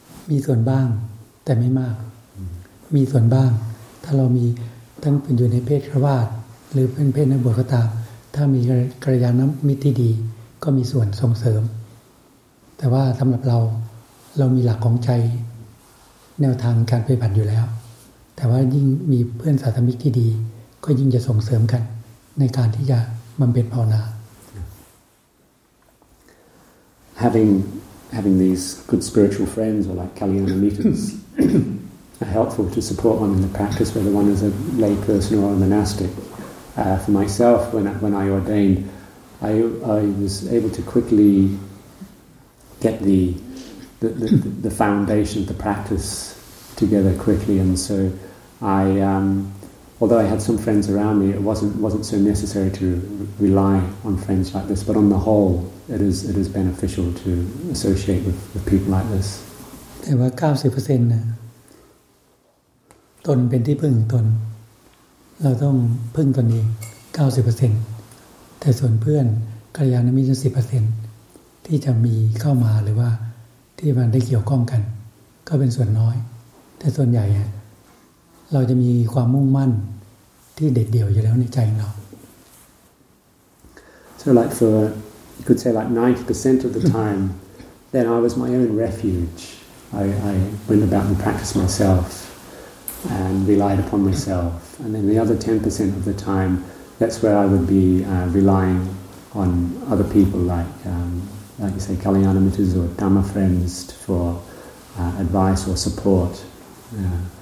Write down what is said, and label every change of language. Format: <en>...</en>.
<th>มีส่วนบ้างแต่ไม่มากมีส่วนบ้างถ้าเรามีทั้งเป็นอยู่ในเพศฆราวาสหรือเป็นนักบวชก็ตามถ้ามีกัลยาณมิตรที่ดีก็มีส่วนส่งเสริมแต่ว่าสำหรับเรามีหลักของใจแนวทางการปฏิบัติอยู่แล้วแต่ว่ายิ่งมีเพื่อนสาธมิกที่ดีก็ยิ่งจะส่งเสริมกันในการที่จะบำเพ็ญภาวนา</th> <en>Having these good spiritual friends or like Kalyana meetings are helpful to support one in the practice, whether one is a lay person or a monastic. For myself, when I ordained, I was able to quickly get the foundation of the practice together quickly, and so although I had some friends around me, it wasn't so necessary to rely on friends like this. But on the whole, it is beneficial to associate with people like this.</en> <th>แต่ว่า 90% นะตนเป็นที่พึ่งตนเราต้องพึ่งตนเอง 90% แต่ส่วนเพื่อนกัลยาณมิตร 10% ที่จะมีเข้ามาหรือว่าที่มันได้เกี่ยวข้องกันก็เป็นส่วนน้อยแต่ส่วนใหญ่อ่ะเราจะมีความมุ่งมั่นที่เด็ดเดี่ยวอยู่แล้วในใจเรา</th> <en>So like for you could say like 90% of the time then I was my own refuge I went about and practiced myself and relied upon myself and then the other 10% of the time that's where I would be relying on other people like you say Kalyanamitas or Dhamma friends for advice or support yeah.</en>